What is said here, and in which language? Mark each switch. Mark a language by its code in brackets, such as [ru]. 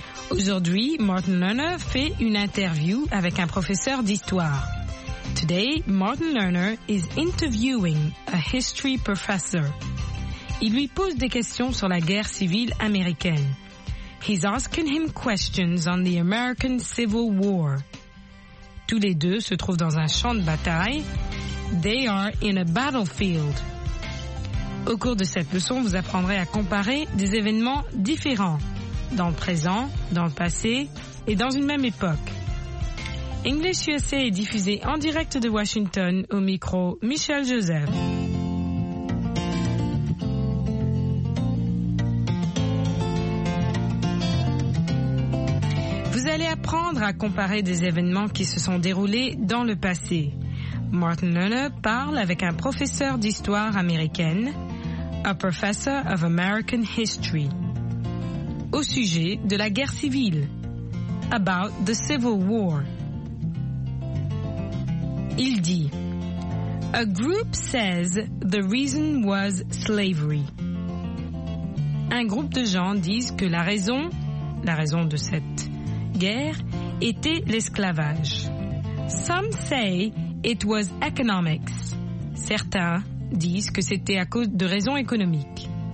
[fr] Aujourd'hui, Martin Lerner fait une interview avec un professeur d'histoire. [en] Today, Martin Lerner is interviewing a history professor. [fr] Il lui pose des questions sur la guerre civile américaine. [en] He's asking him questions on the American Civil War. [fr] Tous les deux se trouvent dans un champ de bataille. [en] They are in a battlefield. [fr] Au cours de cette leçon, vous apprendrez à comparer des événements différents. dans le présent, dans le passé et dans une même époque. English USA est diffusé en direct de Washington au micro Michel Joseph. Vous allez apprendre à comparer des événements qui se sont déroulés dans le passé. Martin Lerner parle avec un professeur d'histoire américaine, [en] a professor of American history, [fr] au sujet de la guerre civile, [en] about the Civil War. [fr] Il dit, [en] a group says the reason was slavery. [fr] Un groupe de gens disent que la raison de cette guerre était l'esclavage. [en] Some say it was economics. [fr] Certains disent que c'était à cause de raisons économiques.